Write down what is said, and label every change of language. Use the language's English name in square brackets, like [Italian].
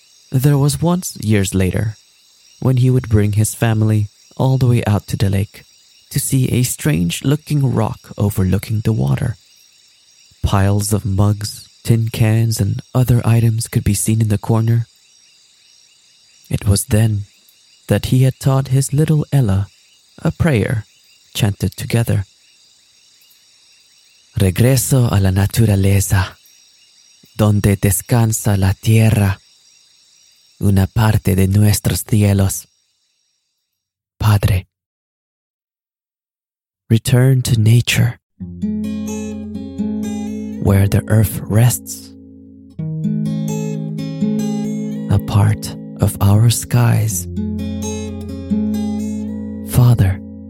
[English] There was once, years later, when he would bring his family all the way out to the lake to see a strange-looking rock overlooking the water. Piles of mugs, tin cans, and other items could be seen in the corner. It was then that he had taught his little Ella a prayer chanted together. [Spanish] Regreso a la naturaleza, donde descansa la tierra, una parte de nuestros cielos. Padre. [English] Return to nature, where the earth rests, a part of our skies. Father.